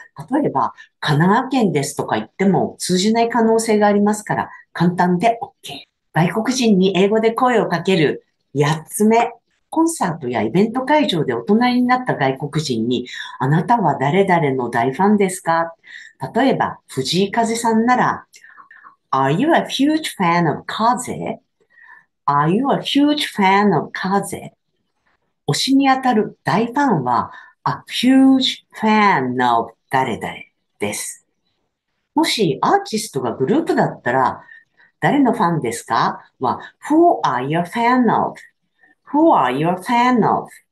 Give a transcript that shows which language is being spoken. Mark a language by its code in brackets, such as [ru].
[ja] 例えば、神奈川県ですとか言っても通じない可能性がありますから、簡単で OK。外国人に英語で声をかける8つ目。コンサートやイベント会場でお隣になった外国人に、あなたは誰々の大ファンですか？例えば、藤井風さんなら、 [en] Are you a huge fan of Kaze? Are you a huge fan of Kaze? [ja] 推しに当たる大ファンは、 [en] A huge fan of [ja] 誰々です。もし、アーティストがグループだったら、誰のファンですか？ [en] は、Who are you a fan of? Who are you a fan of?